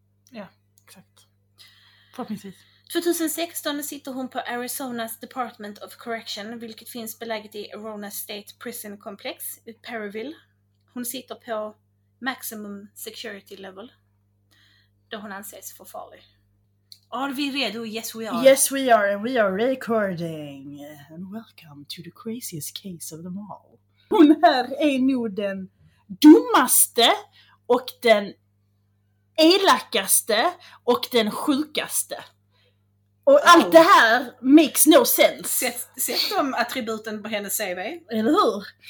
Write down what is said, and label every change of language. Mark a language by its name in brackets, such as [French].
[Swedish] Ja, exakt. Förhoppningsvis. 2016 sitter hon på Arizona's Department of Correction, vilket finns beläget i Arona State Prison Complex i Perryville. Hon sitter på maximum security level, då hon anses för farlig. [English] Are we ready? Yes, we are. Yes, we are, and we are recording. And welcome to the craziest case of them all. [Swedish] Hon här är nu den dummaste och den elakaste och den sjukaste. Och allt det här [English] makes no sense. [Swedish] Sätt de attributen på hennes CV. Eller hur?